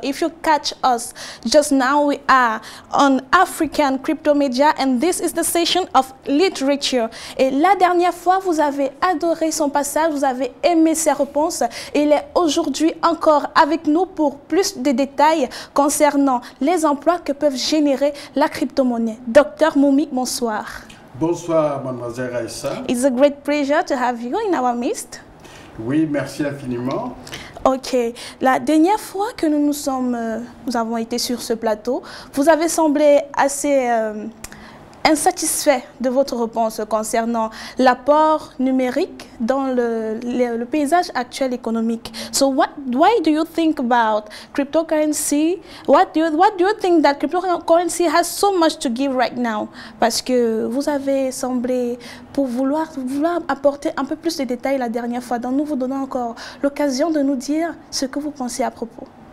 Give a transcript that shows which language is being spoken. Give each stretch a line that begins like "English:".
English: If you catch us just now, we are on African Crypto Media and this is the session of literature.
French: Et la dernière fois, vous avez adoré son passage, vous avez aimé ses réponses. Il est aujourd'hui encore avec nous pour plus de détails concernant les emplois que peuvent générer la crypto-monnaie. Docteur Moumi, bonsoir. Bonsoir, mademoiselle Raissa.
English: It's a great pleasure to have you in our midst.
French: Oui, merci infiniment. Ok. La dernière fois que nous avons été sur ce plateau, vous avez semblé assez insatisfait de votre réponse concernant l'apport numérique dans le paysage actuel économique.
English: So why do you think about cryptocurrency? What do you think that cryptocurrency has so much to give right now?
French: Parce que vous avez semblé vouloir apporter un peu plus de détails la dernière fois, donc nous vous donnons encore l'occasion de nous dire ce que vous pensez à propos.